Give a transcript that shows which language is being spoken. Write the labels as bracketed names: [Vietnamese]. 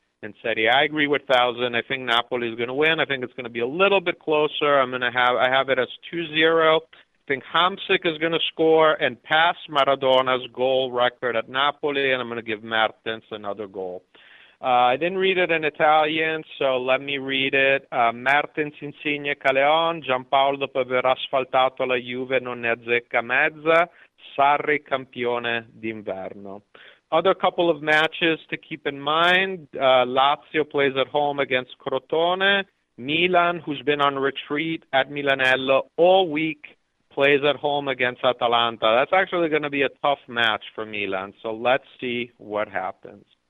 [English] And Serie A, I agree with Thousand. I think Napoli is going to win. I think it's going to be a little bit closer. I have it as 2-0. I think Hamsik is going to score and pass Maradona's goal record at Napoli, and I'm going to give Mertens another goal. I didn't read it in Italian, so let me read it. [Italian] Mertens insigne Caleon, Gianpaolo dopo aver asfaltato la Juve non ne azzecca mezza, Sarri campione d'inverno. [English] Other couple of matches to keep in mind, Lazio plays at home against Crotone. Milan, who's been on retreat at Milanello all week, plays at home against Atalanta. That's actually going to be a tough match for Milan, so let's see what happens.